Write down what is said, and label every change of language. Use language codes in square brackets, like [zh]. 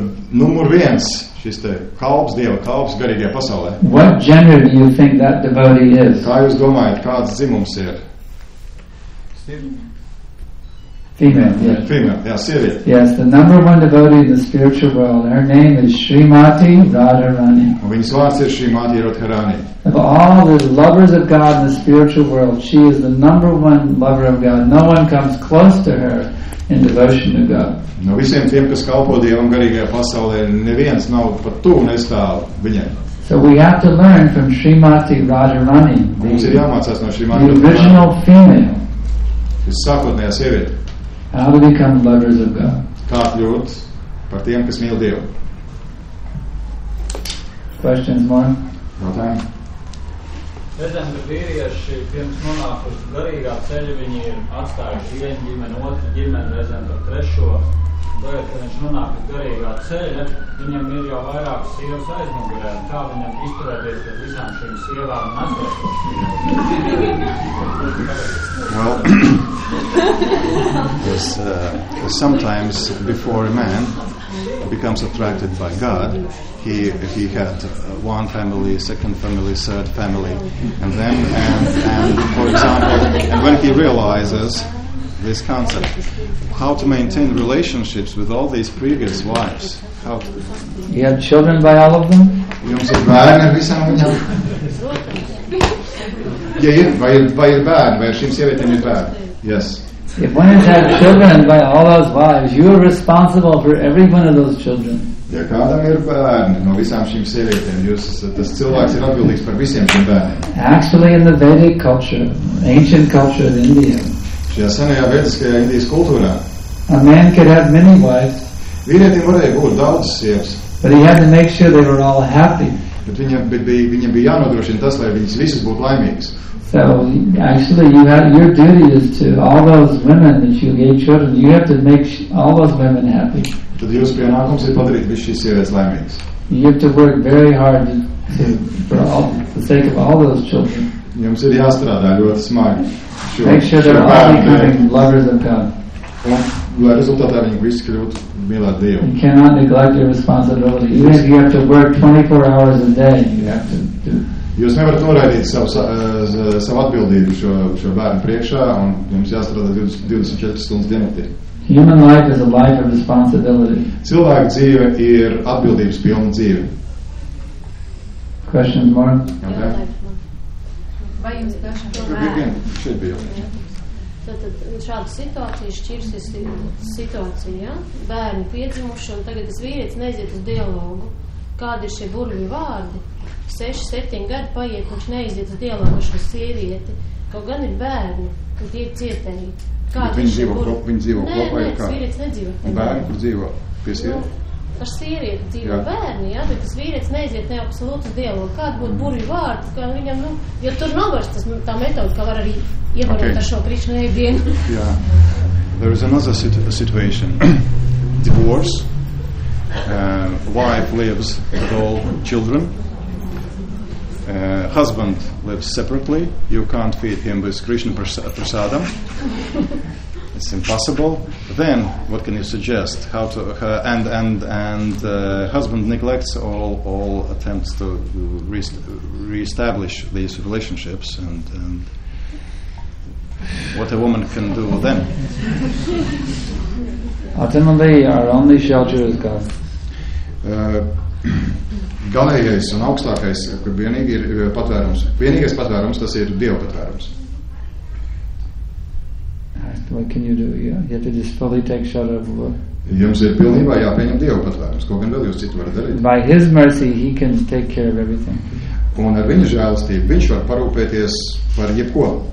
[lv] numur viens, šis te kalps Dieva, kalps garīgajā pasaulē. [en] What gender do you think that devotee is? [lv] Kā jūs domājat, kāds dzimums ir? [en] Female, yeah. Female, yeah, [lv] sieviete. [en] Yes, the number one devotee in the spiritual world. Her name is Srimati Radharani. [lv] Un viņas vārds ir Srimati Radharani. [en] Of all the lovers of God in the spiritual world, she is the number one lover of God. No one comes close to her in devotion to God. [lv] No visiem tiem, kas kalpo Dievam garīgajā pasaulē, neviens nav pat tuvu nestāv viņiem. [en] So we have to learn from Srimati Radharani. [lv] Mums ir jāmācās no Srimati [en] Radharani. The original female. [lv] Šis sākotnējā sieviete. [en] How to become lovers of God. [lv] Kā kļūt par tiem, kas mīl Dievu. [en] Questions more? No time. [lv] Redzam, ka vīrieši pirms nonākus garīgā ceļa viņi ir atstājuši vienu ģimeni, otru ģimeni, redzam par trešo. Tagad, kad viņš nonākus garīgā ceļa, viņam ir jau vairāk sievas aizmugurē. Kā viņam izturēties pēc visām šīm sievām un [en] Well, sometimes before a man becomes attracted by God, he had one family, second family, third family, and then, and for example, and when he realizes this concept, how to maintain relationships with all these previous wives? How he had children by all of them? [lv] Jums ir bērni visam viņam? Ja ir, vai ir bērni, vai ar šīm sievietēm ir bērni? [en] Yes. If one has had children by all those wives, you are responsible for every one of those children. [lv] Ja kādam ir bērni no visām šīm sievietēm, jūs esat, tas cilvēks ir atbildīgs par visiem šiem bērniem. [en] Actually, in the Vedic culture, ancient culture of India, [lv] šajā senajā vediskajā Indijas kultūrā, [en] a man could have many wives, [lv] vīrietim varēja būt daudz sievas, [en] but he had to make sure they were all happy. [lv] Bet viņam bija jānodrošina tas, lai viņas visas būtu laimīgas. [en] So actually you have, your duty is to all those women that you gave children, you have to make all those women happy. [lv] Tad jūsu pienākums ir padarīt visu šīs sievietes laimīgas. [en] You have to work very hard for the sake of all those children. [lv] Jums ir jāstrādā ļoti smagi. [en] Make sure they're all becoming lovers of God. [lv] Un, lai rezultātā viņi visi kļūtu mīlēt Dievu. [en] You cannot neglect your responsibility. Even if you have to work 24 hours a day, you have to do. [lv] Jūs nevarat noraidīt savu atbildību šo bērnu priekšā, un jums jāstrādā 24 stundas dienaktī. [en] Human life is a life of responsibility. [lv] Cilvēka dzīve ir atbildības pilna dzīve. [en] Questions more? Okay. [lv] Vai jums dažam to bērnu? Tātad šāda situācija, šķirsies situācija, ja? Bērni piedzimuši, un tagad tas vīrietis neiziet uz dialogu. Kādi ir šie burvi vārdi? 6-7 gadi paiet, viņš neiziet dialogu šo sievieti, kaut gan ir bērni, kur tie ir cietēji. Viņi dzīvo nē, kopā, ja kā? Nē, tas vīrietis nedzīvo. Bērni, kur dzīvo? Pie sievieti? Ar sievieti dzīvo jā. Bērni, jā, bet tas vīrietis neiziet neabsolūtu dialogu. Kādi būtu burvi vārdi, kā viņam, nu, jo tur novars tas, tā metoda, ka var arī ievarot okay. ar šo krišanai dienu. Jā. [en] There is another situation. Divorce. Wife lives with all children. Husband lives separately. You can't feed him with Krishna prasadam. It's impossible. Then, what can you suggest? How to and husband neglects all attempts to reestablish these relationships and what a woman can do then? Ultimately, our only shelter is God. [lv] Galējais un augstākais, kur vienīgi ir patvērums. Vienīgais patvērums, tas ir Dieva patvērums. [en] What can you do? Yeah. You have to just fully take shelter of the Lord. [lv] Jums ir pilnībā jāpieņem Dieva patvērums. Ko gan vēl jūs citu varat darīt? [en] By his mercy, he can take care of everything. [lv] Un ar viņa žēlistību, viņš var parūpēties par jebko.